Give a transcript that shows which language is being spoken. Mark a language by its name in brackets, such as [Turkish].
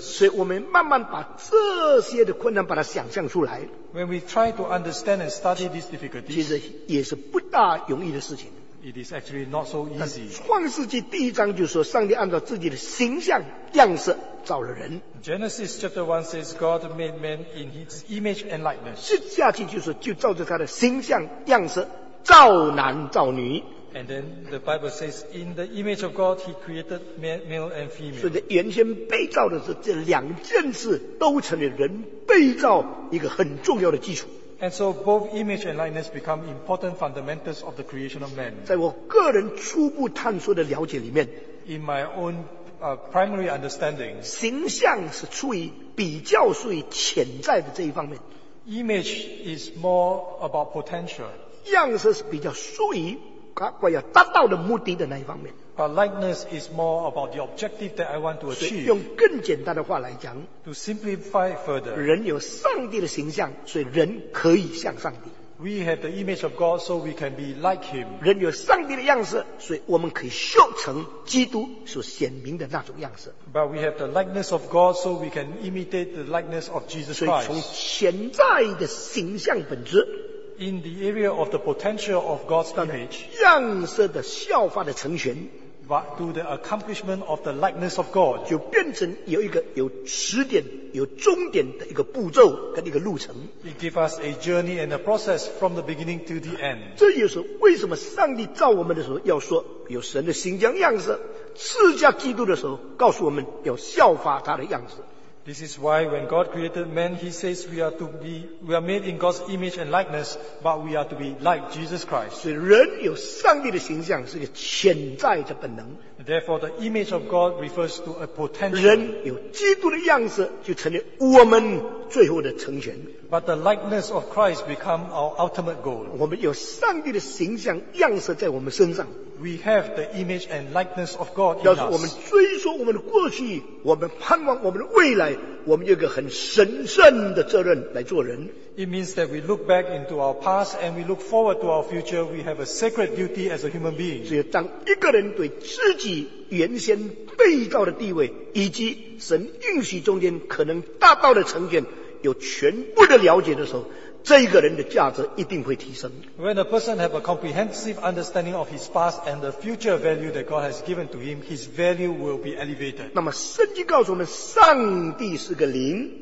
[Chinese] 所以我们慢慢把这些的困难把它想象出来。 [English] When we try to understand and study these difficulties, [Chinese] 其实也是不大容易的事情。 [English] It is actually not so easy. [Chinese] 创世纪第一章就说上帝按照自己的形象样式造了人。 [English] Genesis chapter 1 says God made man in his image and likeness. [Chinese] 接下去就说就照着他的形象样式造男造女。 [English] And then the Bible says in the image of God he created male and female. [Chinese] 所以原先被造的时候这两件事都成了人被造一个很重要的基础。 [English] And so both image and likeness become important fundamentals of the creation of man. [Chinese] 在我个人初步探索的了解里面， [English] In my own primary understanding, [Chinese] 形象是处于比较属于潜在的这一方面。 [English] Image is more about potential. [Chinese] 样式是比较属于我要达到的目的的那一方面。 [English] But likeness is more about the objective that I want to achieve. [Chinese] 用更简单的话来讲， [English] To simplify further, [Chinese] 人有上帝的形象，所以人可以像上帝。 [English] We have the image of God, so we can be like him. [Chinese] 人有上帝的样式，所以我们可以修成基督所显明的那种样式。 [English] But we have the likeness of God, so we can imitate the likeness of Jesus Christ. [Chinese] 所以从潜在的形象本质 [English] In the area of the potential of God's image, [Chinese] 样式的效法的成全 [English] but to the accomplishment of the likeness of God, [Chinese] 就变成有一个有起点、有终点的一个步骤跟一个路程。 [English] It gives us a journey and a process from the beginning to the end. [Chinese] 这也是为什么上帝造我们的时候要说有神的形象样式，赐下基督的时候告诉我们要效法他的样式。 [English] This is why when God created man, he says we are made in God's image and likeness, but we are to be like Jesus Christ. [Chinese] 所以人有上帝的形象是个潜在的本能。 [English] Therefore, the image of God refers to a potential. [Chinese] 人有基督的样式就成了我们最后的成全。 [English] But the likeness of Christ become our ultimate goal. [Chinese] 我们有上帝的形象样式在我们身上。 [English] We have the image and likeness of God in us. [Chinese] 要是我们追溯我们的过去，我们盼望我们的未来，我们有一个很神圣的责任来做人。 [English] It means that we look back into our past and we look forward to our future. We have a sacred duty as a human being. [Chinese] 只有当一个人对自己原先被造的地位，以及神应许中间可能达到的成全，有全部的了解的时候，这一个人的价值一定会提升。 [English] When a person has a comprehensive understanding of his past and the future value that God has given to him, his value will be elevated. [Chinese] 那么圣经告诉我们，上帝是个灵。